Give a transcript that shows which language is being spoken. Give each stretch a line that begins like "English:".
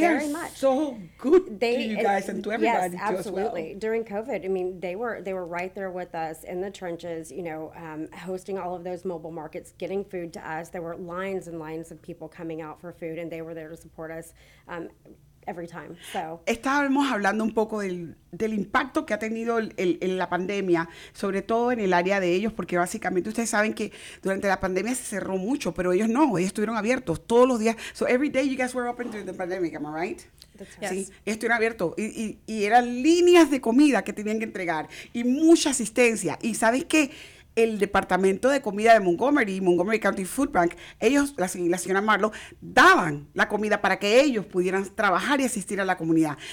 English: very much. They are so good to you guys and to everybody. Yes, absolutely. Too, as well. During COVID, I mean, they were right there with us in the trenches, you know, hosting all of those mobile markets, getting food to us. There were lines and lines of people coming out for food, and they were there to support us. Every time. So.
Spanish: Estábamos hablando un poco del impacto que ha tenido en la pandemia, sobre todo en el área de ellos, porque básicamente ustedes saben que durante la pandemia se cerró mucho, pero ellos no, ellos estuvieron abiertos todos los días.
English: So every day you guys were open during the pandemic, am I right? Yes.
Spanish: Sí, estuvieron abiertos y eran líneas de comida que tenían que entregar y mucha asistencia. Y ¿sabes qué? El Departamento de Comida de Montgomery County Food Bank, ellos, la señora Marlo, daban la comida para que ellos pudieran trabajar y asistir a la comunidad.